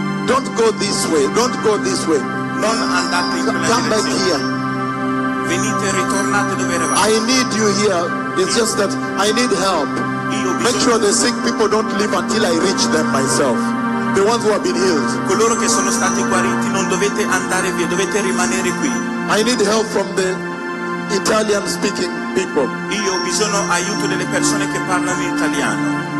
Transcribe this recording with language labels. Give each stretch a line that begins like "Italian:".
English: Don't go this way.
Italian: Non andate in quella
English: come Back here.
Italian: Venite, ritornate dove eravate.
English: I need you here. It's just that I need help. Make sure the sick people don't leave until I reach them myself. The ones who have been healed.
Italian: Coloro che sono stati guariti non dovete andare via, dovete rimanere qui.
English: I need help from the Italian speaking people.
Italian: Io ho bisogno aiuto delle persone che parlano italiano.